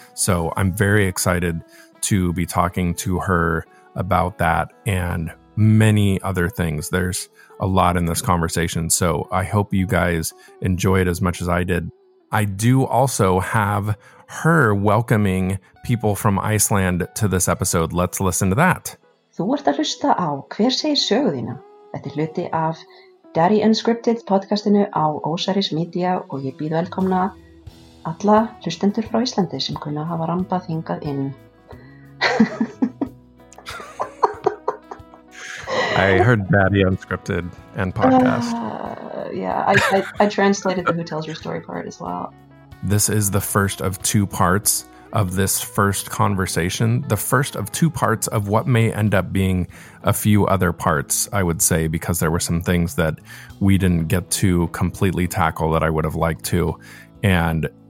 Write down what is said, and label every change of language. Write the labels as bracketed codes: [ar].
[en] So I'm very excited to be talking to her about that and many other things. There's a lot in this conversation. So I hope you guys enjoy it as much as I did. I do also have her welcoming people from Iceland to this episode. Let's listen to that. [is] Þú ert að hlusta á Hver segir sögu þína? Þetta er hluti af Daddy Unscripted podcastinu á Osiris Media og ég býð velkomna alla hlustendur frá Íslandi sem kunna hafa rambað hingað inn. [en] I heard Daddy Unscripted and podcast. Yeah, I translated the Who Tells Your Story part as well. This is the first of two parts of this first conversation, the first of two parts of what may end up being a few other parts, I would say, because there were some things that we didn't get to completely tackle that I would have liked to. And